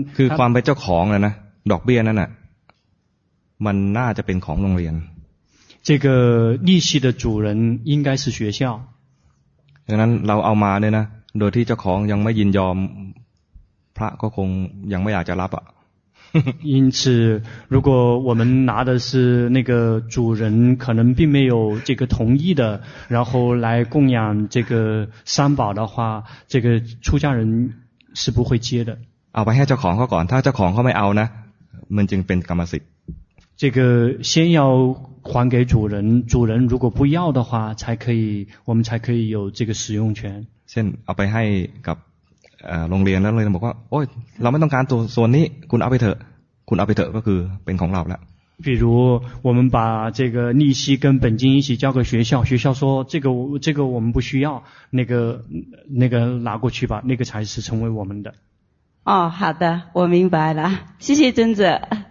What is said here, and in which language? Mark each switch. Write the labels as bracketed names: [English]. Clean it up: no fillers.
[Thai] คือความเป็นเจ้าของนะดอกเบี้ยนั่นน่ะมันน่าจะเป็นของโรงเรียน [Chinese] 这个利息的主人应该是学校 [Thai] ดังนั้นเราเอามาเนี่ยนะโดยที่เจ้าของยังไม่ยินยอมพระก็คงยังไม่อยากจะรับอ่ะ [Chinese] 因此如果我们拿的是那个主人可能并没有这个同意的然后来供养这个三宝的话这个出家人是不会接的 [Thai] เอาไปให้เจ้าของเขาก่อนถ้าเจ้าของเขาไม่เอานะมันจึงเป็นกรรมสิทธิ์ [Chinese] 这个先要还给主人如果不要的话才可以我们才可以有这个使用权 [Thai] เช่นเอาไปให้กับโรงเรียนแล้วเลยบอกว่าโอ้ยเราไม่ต้องการตัวส่วนนี้คุณเอาไปเถอะคุณเอาไปเถอะก็คือเป็นของเราแล้ว [Chinese] 比如我们把这个利息跟本金一起交给学校说这个我们不需要那个拿过去吧那个才是成为我们的哦好的我明白了谢谢尊者